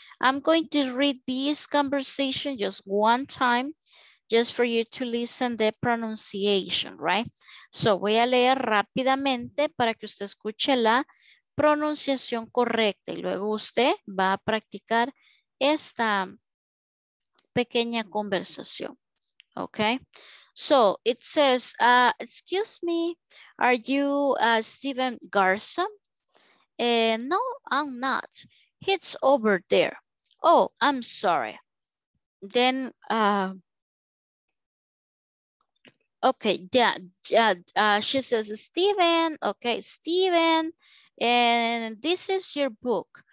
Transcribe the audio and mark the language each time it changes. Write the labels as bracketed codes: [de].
[en] I'm going to read this conversation just one time, just for you to listen the pronunciation, right? [es] So voy a leer rápidamente para que usted escuche la pronunciación correcta y luego usted va a practicar esta pequeña conversación, okay. [en] So it says, excuse me, are you Steven Garson? No, I'm not. He's over there. Oh, I'm sorry. Then, okay, she says, Steven, okay, Steven, and this is your book.